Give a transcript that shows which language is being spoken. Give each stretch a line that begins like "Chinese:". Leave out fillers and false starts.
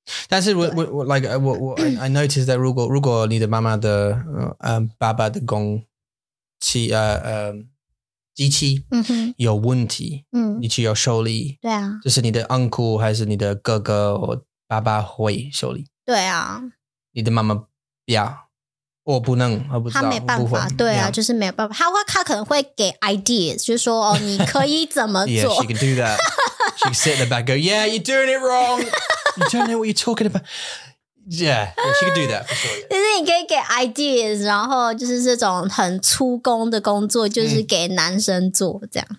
Chinese: 但是我
English: like, I noticed that
Chinese: 如果你的妈妈的爸爸的工器机器有问题你去要修理。对啊。就是你的 uncle 还是你的哥哥或爸爸会修理。对啊。你的妈妈不要。我不能我不知道他没办法对啊、
English: yeah.
Chinese: 就是没有办法他可能会给 ideas 就是说、哦、你可以怎么做
English: yeah she can do that she can sit in the back go yeah you're doing it wrong you don't know what you're talking about yeah, yeah she can do that for sure
Chinese: 就是你可以给 ideas 然后就是这种很粗工的工作就是给男生做这样